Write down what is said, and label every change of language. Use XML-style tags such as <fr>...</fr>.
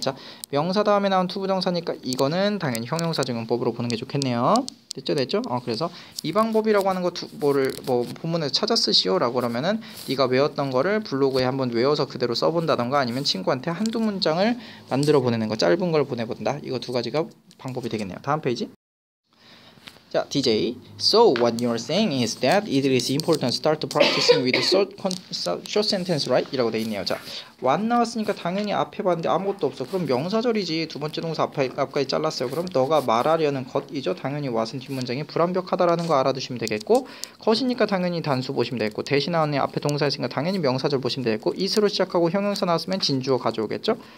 <ko>자, 명사 다음에 나온 to 부정사니까 이거는 당연히 형용사 증언법으로 보는 게 좋겠네요. 됐죠, 됐죠? 그래서 이 방법이라고 하는 거 뭐를 뭐 본문에서 찾아 쓰시오 라고 그러면은 네가 외웠던 거를 블로그에 한번 외워서 그대로 써본다던가 아니면 친구한테 한두 문장을 만들어 보내는 거, 짧은 걸 보내본다, 이거 두 가지가 방법이 되겠네요. 다음 페이지. 자, DJ.</ko> <en>So what you're saying is that it is important to start practicing with short sentence, right?</en> <ko>이라고 돼 있네요. 자, 완 나왔으니까 당연히 앞에 봤는데 아무것도 없어. 그럼 명사절이지. 두 번째 동사 앞까지 잘랐어요. 그럼 너가 말하려는 것이죠. 당연히 what은 뒷문장이 불완벽하다라는 거 알아두시면 되겠고, 것이니까 당연히 단수 보시면 되겠고, 대시 나왔네 앞에 동사였으니까 당연히 명사절 보시면 되겠고, is로 시작하고 형용사 나왔으면 진주어 가져오겠죠.</ko>